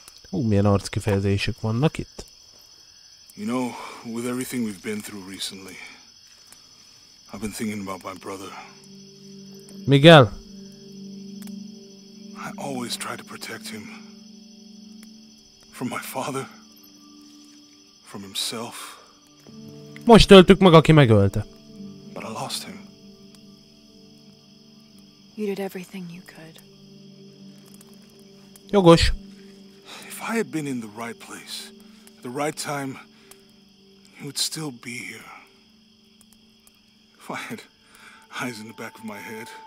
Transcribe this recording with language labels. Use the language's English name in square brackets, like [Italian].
[Hungarian] Milyen arckifejezések vannak itt? [English] You know, with everything we've been through recently, I've been thinking about my brother. Miguel. I always try to protect him. From my father. From himself. [Hungarian] Most öltük meg, aki megölte. [English] But I lost him. You did everything you could. [Hungarian] Jogos. [English] If I had been in the right place, at the right time, he would still be here. If I had eyes in the back of my head.